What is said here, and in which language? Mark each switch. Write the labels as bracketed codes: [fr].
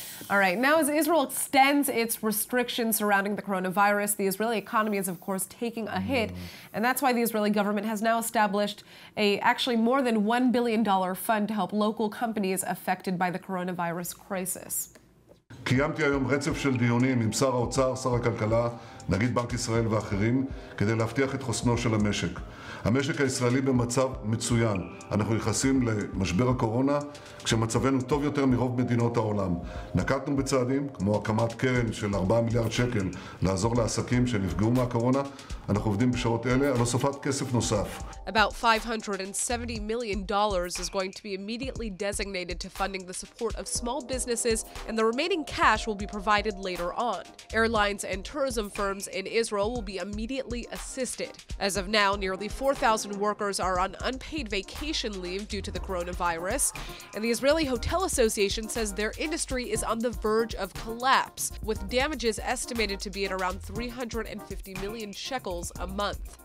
[en] All right, now as Israel extends its restrictions surrounding the coronavirus, the Israeli economy is, of course, taking a hit. And that's why the Israeli government has now established actually more than $1 billion fund to help local companies affected by the coronavirus crisis. [he] קיימתי היום רצף של דיונים עם שר האוצר, שר הכלכלה, נגיד בנק ישראל ואחרים, כדי להבטיח את חוסנו של המשק. המשק הישראלי במצב מצוין. אנחנו נכנסים למשבר הקורונה, כשמצבנו טוב יותר מרוב מדינות העולם. נקטנו בצעדים, כמו הקמת קרן של 4 מיליארד שקל, לעזור לעסקים שנפגעו מהקורונה. אנחנו עובדים בשעות אלה על הוספת כסף נוסף. [en] About $570 million is going to be immediately designated to funding the support of small businesses, and the remaining cash will be provided later on. Airlines and tourism firms in Israel will be immediately assisted. As of now, nearly 4,000 workers are on unpaid vacation leave due to the coronavirus, and the Israeli Hotel Association says their industry is on the verge of collapse, with damages estimated to be at around 350 million shekels a month.